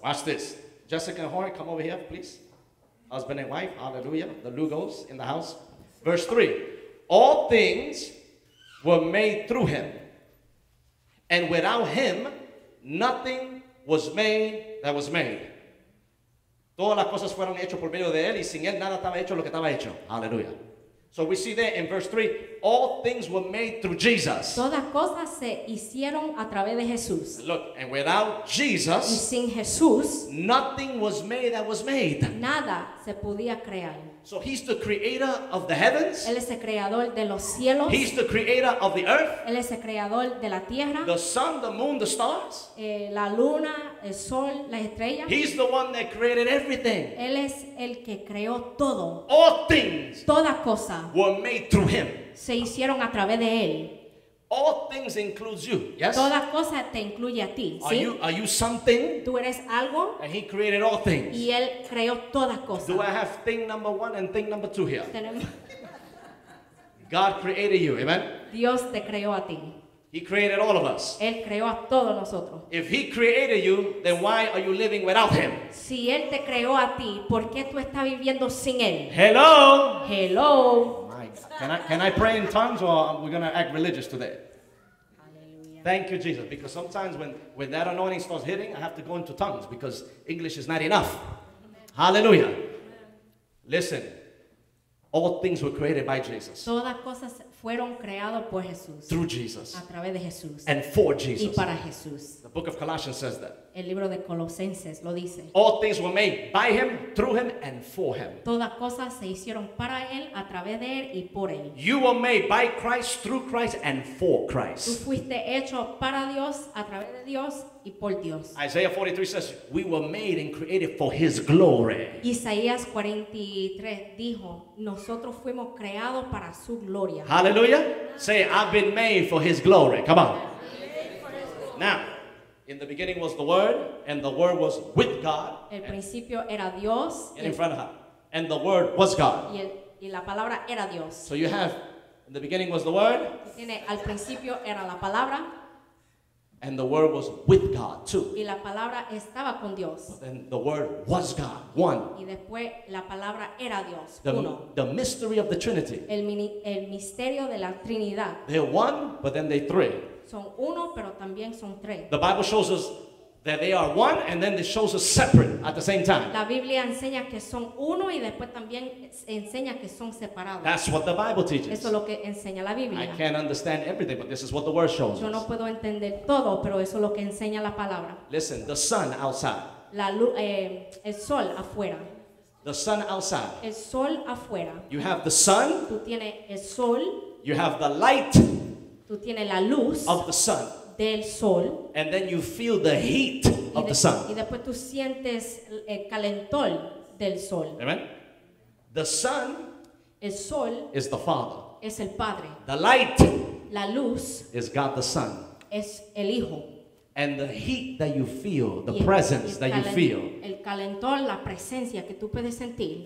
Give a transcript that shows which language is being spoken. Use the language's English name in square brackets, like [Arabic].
[English] Watch this. Jessica and Jorge, come over here, please. Husband and wife. Hallelujah. The Lugos in the house. Verse 3. All things were made through him. And without him, nothing was made that was made. [Spanish] Todas las cosas fueron hechas por medio de él y sin él nada estaba hecho lo que estaba hecho. [English] Aleluya. So we see there in verse 3, all things were made through Jesus. [Spanish] Todas cosas se hicieron a través de Jesús. [English] Look, and without Jesus, [Spanish] y sin Jesús, [English] nothing was made that was made. [Spanish] Nada se podía crear. [English] So he's the creator of the heavens. [Spanish] Él es el creador de los cielos. [English] He's the creator of the earth. [Spanish] Él es el creador de la tierra. [English] The sun, the moon, the stars. [Spanish] La luna, el sol, las estrellas. [English] He's the one that created everything. [Spanish] Él es el que creó todo. [English] All things. [Spanish] Toda cosa. [English] Were made through him. [Spanish] Se hicieron a través de él. [English] All things includes you. Yes. [Spanish] Toda cosa te incluye a ti. [English] Are [Spanish] ¿sí? [English] you are you something? [Spanish] Tú eres algo. [English] And he created all things. [Spanish] Y él creó todas cosas. [English] Do I have thing number one and thing number two here? [Spanish] Tenemos. [English] God created you. Amen. [Spanish] Dios te creó a ti. [English] He created all of us. [Spanish] Él creó a todos nosotros. [English] If he created you, then why are you living without him? [Spanish] Si él te creó a ti, ¿por qué tú estás viviendo sin él? [English] Hello. Hello. Can I pray in tongues or are we going to act religious today? Hallelujah. Thank you, Jesus. Because sometimes when that anointing starts hitting, I have to go into tongues because English is not enough. Amen. Hallelujah. Amen. Listen, all things were created by Jesus. [Spanish] Todas cosas fueron creadas por Jesús. [English] Through Jesus. [Spanish] A través de Jesús. [English] And for Jesus. [Spanish] Y para Jesús. [English] The book of Colossians says that. [Spanish] El libro de Colosenses lo dice. [English] All things were made by him, through him, and for him. [Spanish] Todas cosas se hicieron para él, a través de él, y por él. [English] You were made by Christ, through Christ, and for Christ. [Spanish] Tú fuiste hecho para Dios, a través de Dios, y por Dios. [English] Isaiah 43 says, we were made and created for his glory. [Spanish] Isaías 43 dijo, nosotros fuimos creados para su gloria. [English] Hallelujah. Say, I've been made for his glory. Come on. Now, in the beginning was the Word, and the Word was with God. [Spanish] El principio era Dios. [English] In front of her. And the Word was God. [Spanish] Y la palabra era Dios. [English] So you have, in the beginning was the Word. [Spanish] Tiene, al principio era la palabra. [English] And the Word was with God, too. [Spanish] Y la palabra estaba con Dios. [English] But then the Word was God, one. [Spanish] Y después la palabra era Dios, [English] the, [Spanish] uno. [English] The mystery of the Trinity. [Spanish] El misterio de la Trinidad. [English] They're one, but then they're three. [Spanish] Son uno, pero también son tres. [English] The Bible shows us That they are one, and then it shows us separate at the same time. [Spanish] La Biblia enseña que son uno y después también enseña que son separados. [English] That's what the Bible teaches. [Spanish] Eso es lo que enseña la Biblia. [English] I can't understand everything, but this is what the Word shows us. [Spanish] Yo no puedo entender todo, pero eso es lo que enseña la palabra. [English] Listen, the sun outside. [Spanish] La luz, el sol afuera. [English] The sun outside. [Spanish] El sol afuera. [English] You have the sun. [Spanish] Tú tienes el sol. [English] You have the light. [Spanish] Tú tienes la luz. [English] Of the sun. [Spanish] Del sol. [English] And then you feel the heat of the sun. [Spanish] Y después tú sientes el calentón del sol. [English] Amen. The sun, [Spanish] el sol, [English] is the Father. [Spanish] Es el Padre. [English] The light, [Spanish] la luz, [English] is God the Son. [Spanish] Es el Hijo. [English] And the heat that you feel, the presence that you feel, [Spanish] el calentón, la presencia que tú puedes sentir,